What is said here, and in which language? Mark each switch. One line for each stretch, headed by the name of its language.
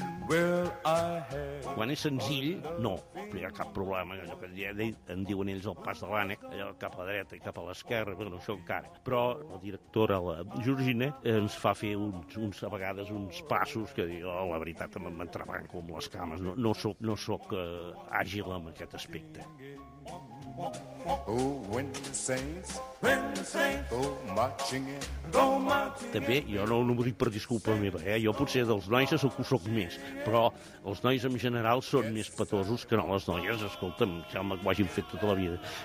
Catalan: Quan és senzill, no, no hi ha cap problema, allò que en diuen ells el pas de l'ànec, allò cap a dreta i cap a l'esquerra, però això encara. Però la directora, la Georgina, ens fa fer a vegades uns passos que diu, la veritat, m'entrebanco amb les cames, no sóc àgil en aquest aspecte.
English: Oh, when the saints, go marching in.
Catalan: També, jo no ho dic per disculpa meva, jo potser dels nois ho soc més, però els nois en general són més petosos que no les noies, escolta'm, ja m'ho hagin fet tota la vida.